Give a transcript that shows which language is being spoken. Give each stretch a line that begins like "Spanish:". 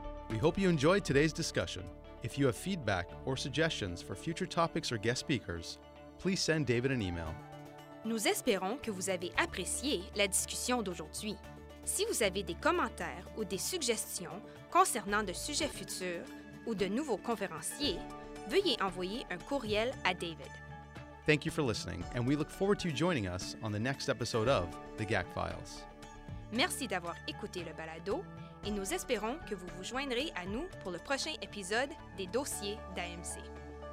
English: We hope you enjoyed today's discussion. If you have feedback or suggestions for future topics or guest speakers, please send David an email.
French: Nous espérons que vous avez apprécié la discussion d'aujourd'hui. Si vous avez des commentaires ou des suggestions concernant de sujets futurs ou de nouveaux conférenciers, veuillez envoyer un courriel à David.
English: Thank you for listening, and we look forward to you joining us on the next episode of The GAC Files.
French: Merci d'avoir écouté le balado, et nous espérons que vous vous joindrez à nous pour le prochain épisode des dossiers d'AMC.